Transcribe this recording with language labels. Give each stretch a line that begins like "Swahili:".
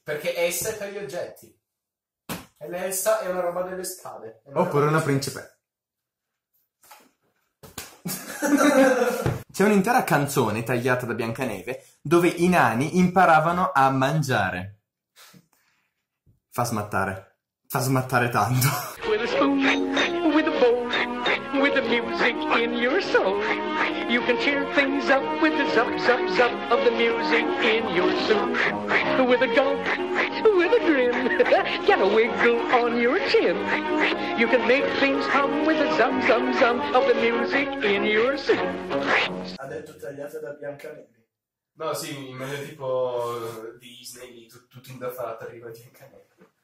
Italian: Perché essa è per gli oggetti. E l'Elsa è una roba delle scale. Oppure una principessa. C'è un'intera canzone tagliata da Biancaneve dove i nani imparavano a mangiare. Fa smattare. Fa smattare tanto.
English: With a spoon, with a bowl, with the music in your soul. You can cheer things up with the zup, zup, zup of the music in your soup. With a gulp, with a grin, get a wiggle on your chin. You can make things hum with the zum, zum, zum of the music in your soup.
Italian: Ha detto tagliata da Biancaneve. No, sì, in maniera tipo Disney, tutto indaffarato arriva a Biancaneve.